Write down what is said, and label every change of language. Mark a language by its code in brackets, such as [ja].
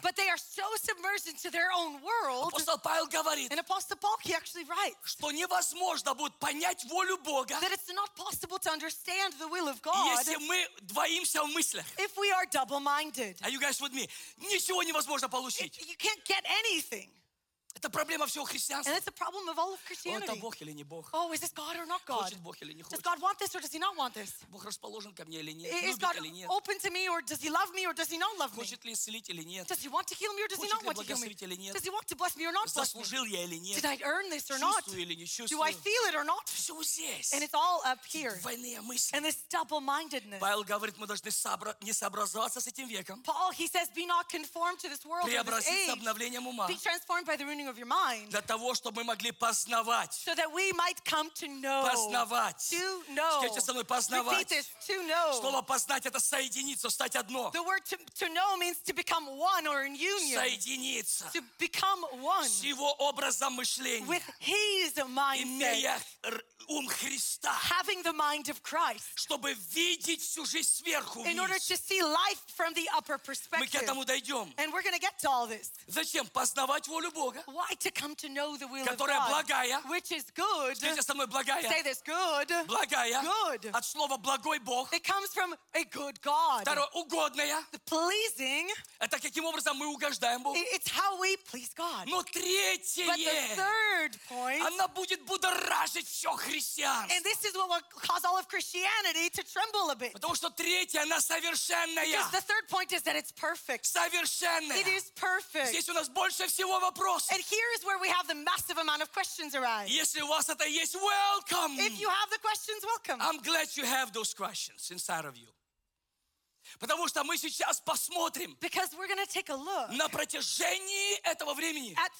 [en] But they are so submerged into their own world. [ru] Апостол Павел говорит. [en] And Apostle Paul, he actually writes. [ru] Что невозможно будет понять волю Бога. [en] That it's not possible to understand the will of God. [ru] Если мы двоимся в мыслях. [en] If we are double-minded. Are you guys with me? [ru] Ничего невозможно получить. [en] You can't get anything. [ru] Это проблема всего христианства. [en] And it's a problem of all of Christianity. [ru] О, это Бог или не Бог? [en] Oh, is this God or not God? [ru] Хочет Бог или не хочет? [en] Does God want this or does he not want this? [ru] Бог расположен ко мне или нет? [en] Is God open to me or does he love me or does he not love me? [ru] Хочет ли исцелить или нет? [en] Does he want to heal me or does he not want to heal me? [ru] Хочет ли благословить или нет? [en] Does he want to bless me or not bless me? [ru] Заслужил я или нет? [en] Did I earn this or not? [ru] Чувствую или не чувствую? [en] Do I feel it or not? [ru] Все здесь. [en] And it's all up here. [ru] Двойные мысли. [en] And this double-mindedness. [ru] Павел говорит, мы должны не сообразоваться с этим веком. [en] Paul, he says, be not conformed to this world. [ru] Преобразиться обновлением ума. [en] Be transformed by the renewing of your mind, [ru] для того, чтобы мы могли познавать. [en] So that we might come to know. [ru] Познавать. [en] To know. [ru] Скажите со мной, познавать. [en] Repeat this, to know. [ru] Слово познать — это соединиться, стать одно. [en] The word to know means to become one or in union. [ru] Соединиться. [en] To become one. [ru] С его образом мышления. [en] With his mindset. [ru] Ум Христа, [en] having the mind of Christ, [ru] чтобы видеть всю жизнь сверху вниз. [en] In order to see life from the upper perspective. [ru] Мы к этому дойдем. [en] And we're going to get to all this. [ru] Зачем? Познавать волю Бога, [en] why to come to know the will of God, [ru] которая благая, [en] which is good. [ru] Скажите со мной, благая. [en] Say this, good. [ru] Благая. [en] Good. [ru] От слова благой Бог. [en] It comes from a good God. [ru] Второе, угодная. [en] The pleasing. [ru] Это каким образом мы угождаем Богу. [en] It's how we please God. [ru] Но третье. [en] But the third point. [ru] Она будет будоражить все Христа. [en] And this is what will cause all of Christianity to tremble a bit. [ru] Потому что третья, она совершенная. [en] Because the third point is that it's perfect. [ru] Совершенная. [en] It is perfect. [ru] Здесь у нас больше всего вопросов. [en] And here is where we have the massive amount of questions arise. [ru] Если у вас это есть, [en] welcome. If you have the questions, welcome. I'm glad you have those questions inside of you. [ru] Потому что мы сейчас посмотрим на протяжении этого времени